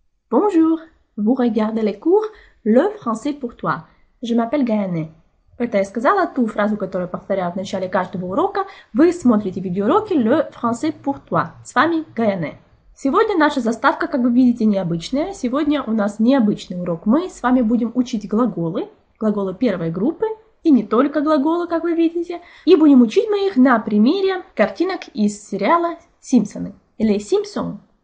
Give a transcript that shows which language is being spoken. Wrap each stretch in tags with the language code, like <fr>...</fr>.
<fr>Bonjour, vous regardez les cours Le français pour toi. Je m'appelle Gaëné.</fr> <ru>Это я сказала ту фразу, которую повторяю в начале каждого урока. Вы смотрите видеоуроки Le français pour toi. С вами Гаэне. Сегодня наша заставка, как вы видите, необычная. Сегодня у нас необычный урок. Мы с вами будем учить глаголы, глаголы первой группы, и не только глаголы, как вы видите. И будем учить мы их на примере картинок из сериала «Симпсоны» или «Симпсон».</ru>